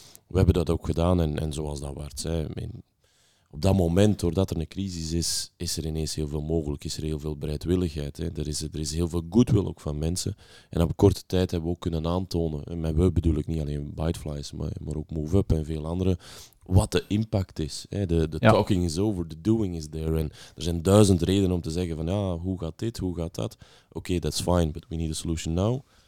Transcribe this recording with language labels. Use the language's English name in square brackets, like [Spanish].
[Dutch] We hebben dat ook gedaan en zoals dat waard zijn. Op dat moment, doordat er een crisis is, is er ineens heel veel mogelijk, is er heel veel bereidwilligheid. Hè. Er is heel veel goodwill ook van mensen. En op korte tijd hebben we ook kunnen aantonen, en met we bedoel ik niet alleen Biteflies, maar ook MoveUp en veel andere, wat de impact is. Hè. [English] De talking is over, the doing is there. [Dutch] En er zijn 1000 redenen om te zeggen van, ja, hoe gaat dit, hoe gaat dat? [English] Oké, that's fine, but we need a solution now.